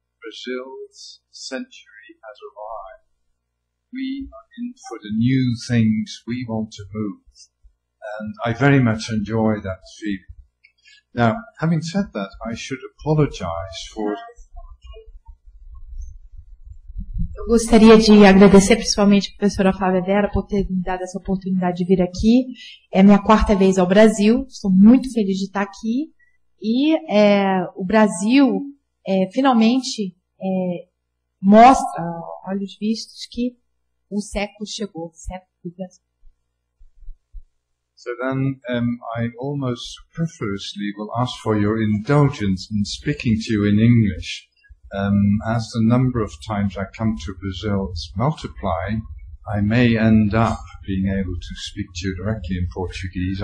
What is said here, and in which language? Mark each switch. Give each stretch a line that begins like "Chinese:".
English: Brazil's century has arrived. We are in for the new things we want to move. And I very much enjoy that feeling. Now, having said that, I should apologize for.
Portuguese: Eu gostaria de agradecer principalmente à professora Flávia Vera por ter me dado essa oportunidade de vir aqui. É minha quarta vez ao Brasil, estou muito feliz de estar aqui. E o Brasil finalmente mostra, olhos vistos, que o século chegou, o século do Brasil.
English: So then I almost superfluously will ask for your indulgence in speaking to you in English. As the number of times I come to Brazil is multiplying, I may end up being able to speak to you directly in Portuguese.